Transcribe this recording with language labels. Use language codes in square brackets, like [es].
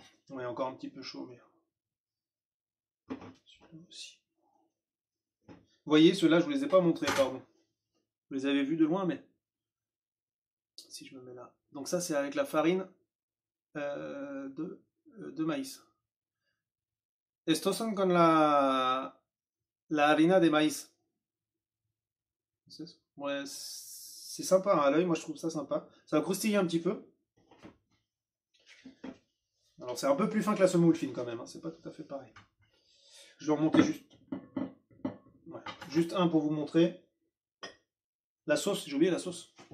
[fr] Oui, encore un petit peu chaud. Mais... Super aussi. Vous voyez, ceux-là, je ne vous les ai pas montrés, pardon. Vous les avez vus de loin, mais... Si je me mets là. Donc ça, c'est avec la farine de maïs. [es] Estos son con la harina de maïs. [fr] Ouais, c'est sympa, hein, à l'œil, moi je trouve ça sympa. Ça va croustiller un petit peu. Alors c'est un peu plus fin que la semoule fine quand même, hein. C'est pas tout à fait pareil. Je vais remonter juste. Juste un pour vous montrer. La sauce, j'ai oublié la sauce.